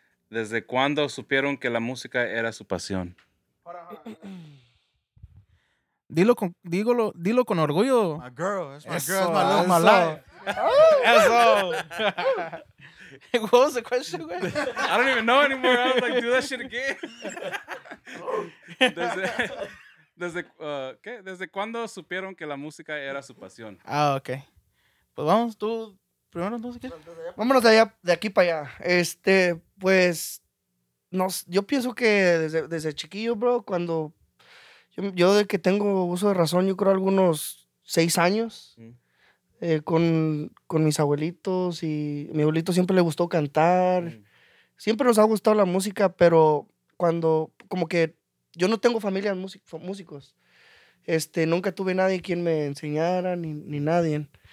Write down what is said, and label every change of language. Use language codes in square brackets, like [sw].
[es] ¿Desde cuándo supieron que la música era su pasión? Dilo con orgullo. [en] My girl, that's my eso, girl, that's my love, my life. Eso. What was the question, güey? I don't even know anymore. I was like, do that shit again. [es] ¿Desde cuándo supieron que la música era su pasión? Ah, okay. Pues vamos, tú primero, entonces, ¿qué? Vámonos de aquí para allá. Pues, no, yo pienso que desde chiquillo, bro, cuando yo de que tengo uso de razón, yo creo algunos 6 años, con mis abuelitos, y a mi abuelito siempre le gustó cantar, siempre nos ha gustado la música, pero cuando, como que yo no tengo familia de músicos, nunca tuve nadie quien me enseñara, ni nadie.